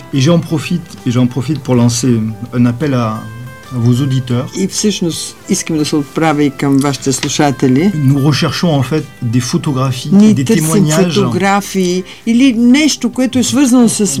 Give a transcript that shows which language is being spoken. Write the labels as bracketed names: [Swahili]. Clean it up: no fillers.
[French] J'en profite pour lancer un appel à vos auditeurs. [Bulgarian] И всъщност искам да се отправя и към вашите слушатели. [French] Nous recherchons en fait des photographies и des témoignages. [Bulgarian] Ние търсим фотографии или нещо, което е свързано с